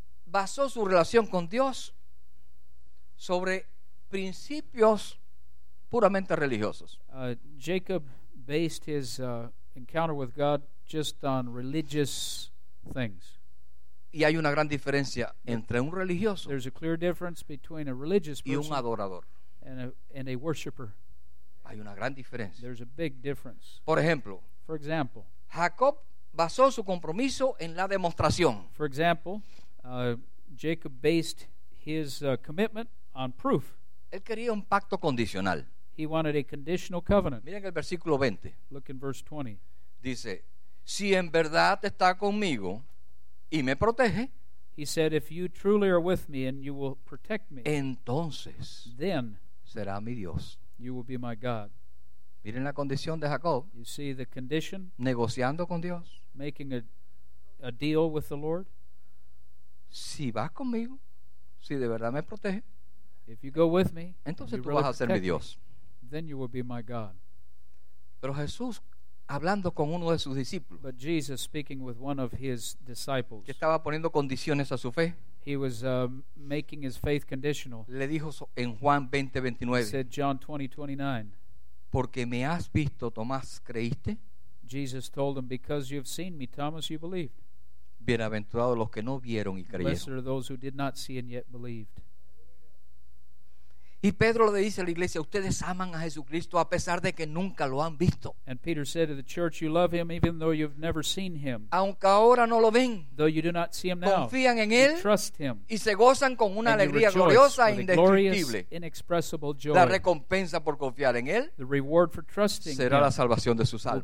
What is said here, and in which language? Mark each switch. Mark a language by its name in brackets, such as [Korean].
[Spanish] Basó su relación con Dios sobre principios puramente religiosos. [English] Jacob based his encounter with God just on religious things. [Spanish] Y hay una gran diferencia entre un religioso, [English] there's a clear difference between a religious person [Spanish] y un adorador, [English] and a worshiper. [Spanish] Hay una gran diferencia. [English] There's a big difference. [Spanish] Por ejemplo, [English] for example, [Spanish] Jacob basó su compromiso en la demostración. [English] For example, Jacob based his commitment on proof. [Spanish] Él quería un pacto condicional. [English] He wanted a conditional covenant. [Spanish] Miren el versículo 20. [English] Look in verse 20. [Spanish] Dice, si en verdad está conmigo y me protege, [English] he said, if you truly are with me and you will protect me, [Spanish] entonces, [English] then, [Spanish] será mi Dios. [English] You will be my God. [Spanish] Miren la condición de Jacob. [English] You see the condition. [Spanish] Negociando con Dios. [English] Making a deal with the Lord. [Spanish] Si vas conmigo, si de verdad me protege, [English] if you go with me, [Spanish] entonces [English] you [Spanish] tú [English] really [Spanish] vas a ser mi Dios. [English] Then you will be my God. [Spanish] Pero Jesús, hablando con uno de sus discípulos, [English] but Jesus speaking with one of his disciples, [Spanish] que estaba poniendo condiciones a su fe, [English] he was making his faith conditional. [Spanish] Le dijo en Juan 20:29. [English] Said John 20:29. [Spanish] Porque me has visto, Tomás, creíste. [English] Jesus told him, because you have seen me, Thomas, you believed. [Spanish] Bienaventurados los que no vieron y creyeron. [English] Blessed are those who did not see and yet believed. [Spanish] Y Pedro le dice a la iglesia, ustedes aman a Jesucristo a pesar de que nunca lo han visto. [English] And Peter said to the church, you love him even though you've never seen him. [Spanish] Aunque ahora no lo ven. [English] Though you do not see him now. [Spanish] Confían en él. [English] Trust him. [Spanish] Y se gozan con una alegría gloriosa e indescriptible. [English] Inexpressible joy. [Spanish] La recompensa por confiar en él. [English] The reward for trusting [Spanish] será la salvación de sus almas.